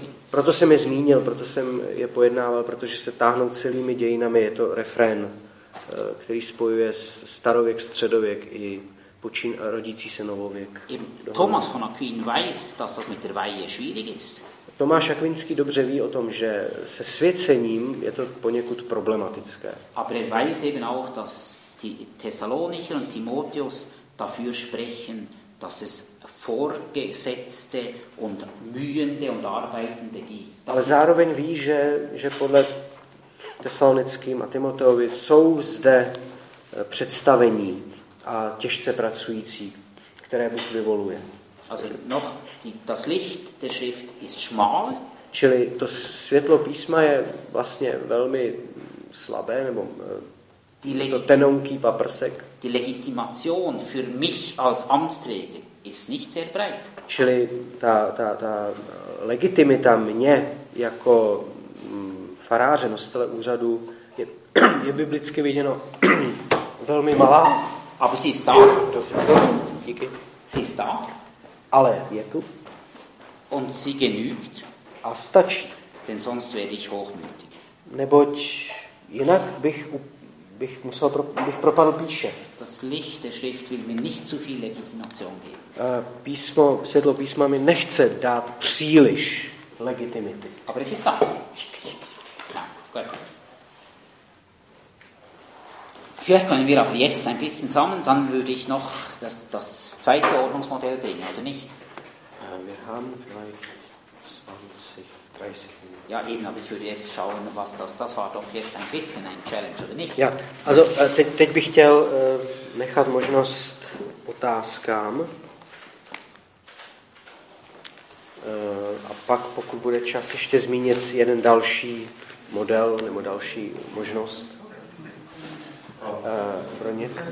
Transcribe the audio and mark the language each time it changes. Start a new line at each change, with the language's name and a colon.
Czech: Proto jsem je zmínil, proto jsem je pojednával, protože se táhnou celými dějinami. Je to refrén, který spojuje starověk, středověk i počín rodící se novověk.
German: Thomas von Aquin weiß, dass das mit der Weihe schwierig ist.
Czech: Tomáš Akvinský dobře ví o tom, že se svěcením je to poněkud problematické.
German: Aber er weiß eben auch, dass die Thessalonicher und Timotheus dafür sprechen, dass es vorgesetzte und mühende und arbeitende gibt.
Czech: Ale zároveň ví, že podle Thessalonickým a Timoteovi jsou zde představení a těžce pracující, které Bůh vyvoluje.
German: Also noch das Licht der Schrift ist schmal.
Czech: Čili to světlo písma je vlastně velmi slabé, nebo to tenonký paprsek.
German: Die Legitimation für mich als Amtsträger ist nicht sehr breit.
Czech: Čili ta legitimita mě jako faráře, nositele úřadu, je biblicky viděno velmi malá.
German: Aber sie ist da.
Czech: Díky.
German: Sie ist da.
Czech: Ale je tu.
German: Und sie genügt.
Czech: A stačí.
German: Denn sonst werde ich hochmütig.
Czech: Neboť jinak bych propadl píše.
German: Das Licht der Schrift will mir nicht zu viel Legitimation geben.
Czech: Písmo, světlo písma mi nechce dát příliš legitimity. A proč jsi tak? Tak, gut.
German: Vielleicht können wir aber jetzt ein bisschen sammeln, dann würde ich noch das zweite Ordnungsmodell bringen, oder nicht? Wir haben vielleicht 20, 30 Minuten. Ja, eben, aber ich würde jetzt schauen, was das war doch jetzt ein bisschen ein Challenge, oder nicht?
Czech: Ja, also teď bych chtěl nechat možnost otázkám. A pak, pokud bude čas, ještě zmínit jeden další model nebo další možnost pro ně.